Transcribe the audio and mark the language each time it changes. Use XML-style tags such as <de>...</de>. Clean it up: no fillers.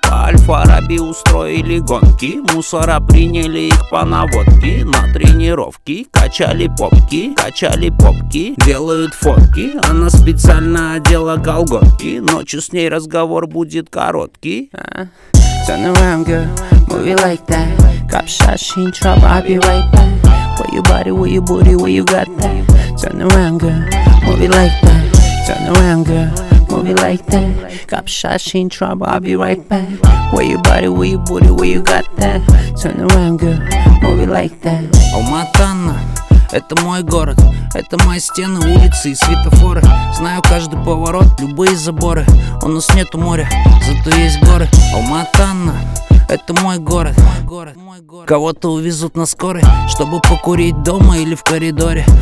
<ru>По Альфа-Раби устроили гонки. Мусора приняли их по наводке. На тренировки качали попки. Качали попки, делают фотки. Она специально одела колготки. Ночью с ней разговор будет короткий.</ru> <en>Turn around, girl, move it like that. Cop shot, she in trouble, I'll be right back. Where your body, where your booty, where you got that. Turn around, girl, move it like that. Turn around, girl, move it like that. Cop shot, she in trouble, I'll be right back. Where your body, where your booty, where you got that. Turn around, girl, move it like that.</en> <ru>Алма-Ата-Ана, это мой город. Это мои стены, улицы и светофоры. Знаю каждый поворот, любые заборы. У нас нету моря, зато есть горы. Алма-Ата-Ана, это мой город. Кого-то увезут на скорой, чтобы покурить дома или в коридоре.</ru>